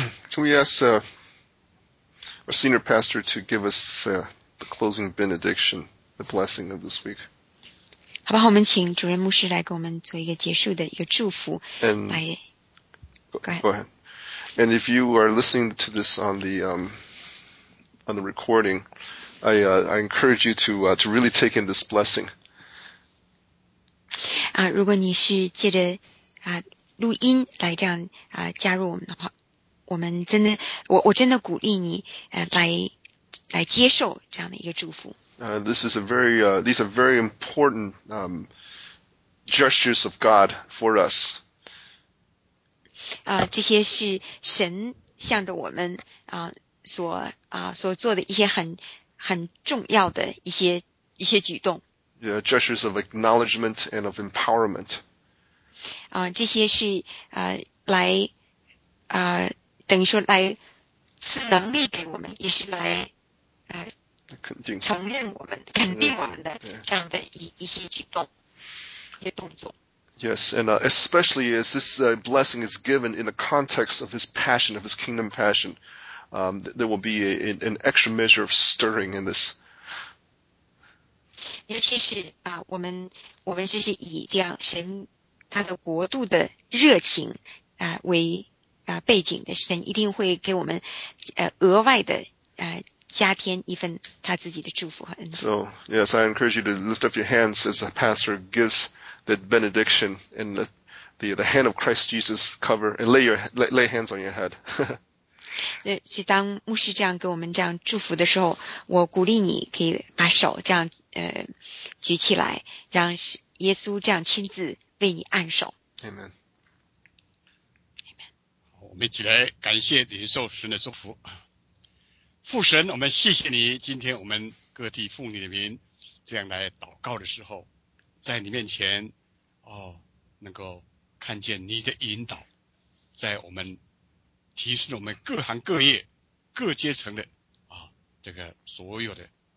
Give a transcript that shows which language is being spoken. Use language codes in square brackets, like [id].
[en] Can we ask our senior pastor to give us the closing benediction, the blessing of this week? [zh] 好吧，我们请主任牧师来给我们做一个结束的一个祝福。 [en] And, go ahead. And if you are listening to this on the recording, I encourage you to really take in this blessing. [zh] 如果你是借着录音来这样加入我们的话，我们真的，我真的鼓励你，来接受这样的一个祝福。 [en] This is a very, these are very important gestures of God for us. [zh] 这些是神向着我们所做的一些很重要的一些举动。 [en] Yeah, gestures of acknowledgement and of empowerment. [zh] 这些是来等于说来赐能力给我们，也是来承认我们肯定我们的这样的一些举动，一些动作。 [en] Yes, and especially as this blessing is given in the context of his passion, of his kingdom passion, there will be an extra measure of stirring in this. [zh] 尤其是我们就是以这样神他的国度的热情为背景的，神一定会给我们额外的加添一份他自己的祝福和恩赐。 [en] So, yes, I encourage you to lift up your hands as the pastor gives that benediction and the hand of Christ Jesus cover and lay hands on your head. [zh] 就当牧师这样给我们这样祝福的时候，我鼓励你可以把手这样举起来，让耶稣这样亲自为你按手。 [en] Amen. [zh] 我们一起来感谢领受神的祝福。父神，我们谢谢你，今天我们各地妇女的名这样来祷告的时候，在你面前能够看见你的引导，在我们提升我们各行各业各阶层的这个所有的